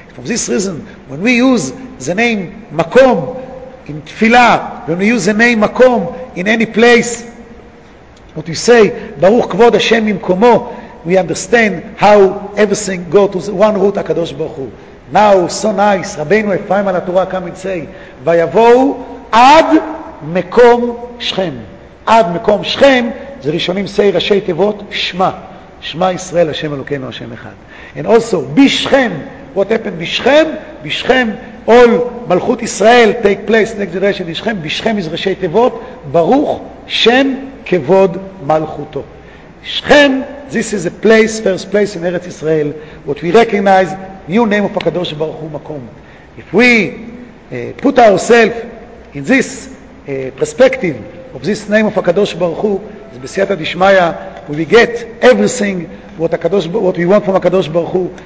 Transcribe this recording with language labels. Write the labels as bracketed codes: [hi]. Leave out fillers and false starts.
[en] From this reason, when we use the name מקום in תפילה, when we use the name מקום in any place, what you say, [he] ברוך כבוד השם ממקומו, [en] we understand how everything go to the one root, הקדוש ברוך הוא. Now, so nice, רבינו אפרים על התורה come and say, [he] ויבואו עד מקום שכם. עד מקום שכם, זה ראשונים say, ראשי תיבות, שמה. שמה ישראל, השם אלוקינו, השם אחד. [en] And also, בשכם, what happened בשכם? [he] בשכם, [en] all [he] מלכות ישראל [en] take place next generation [he] ישכם בשכם מזרשי תיבות ברוך שם כבוד מלכותו. [en] שכם, this is a place, first place in ארץ ישראל, what we recognize new name of הקדוש ברוך הוא מקום. If we put ourselves in this perspective of this name of הקדוש ברוך הוא, [he] אז בסייעתא דשמיא [en] we get everything what we want from HaKadosh Baruch Hu.